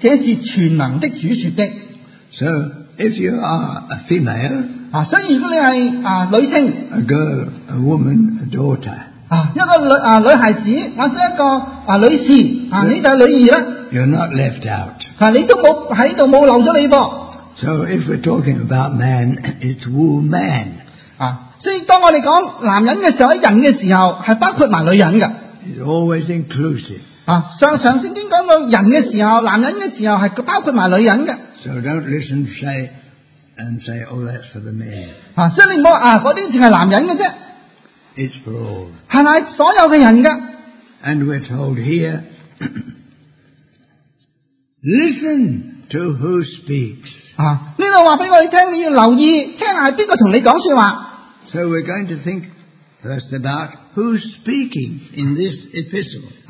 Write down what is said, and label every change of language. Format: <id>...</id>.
<zh>你要作我要作你们的父,你们要作我的儿女,这是全能的主说的。So,</zh> <en>if you are a female,</en> <zh>所以如果你是女性,</zh> <en>a girl, a woman, a daughter,</en> <zh>一个女孩子,或者一个女士, then, 你就是女儿,</zh> <en>you're not left out.</en> <zh>你都没有留了你。</zh> <en>So, if we're talking about man, it's woman.</en> <zh>所以当我们讲男人的时候,人的时候,是包括女人的。</zh> <en>It's always inclusive.</en> <zh>上圣经讲到人的时候,男人的时候,是包括女人的。</zh> <en>So don't listen to say, and say, oh, that's for the man.</en> <zh>所以你不要,那些只是男人的。</zh> <en>It's for all.</en> <zh>是所有的人的。</zh> <en>And we're told here, listen to who speaks.</en> <zh>这里告诉我们,你要留意,听是谁跟你说话。</zh> <en>So we're going to think first about who's speaking in this epistle.</en>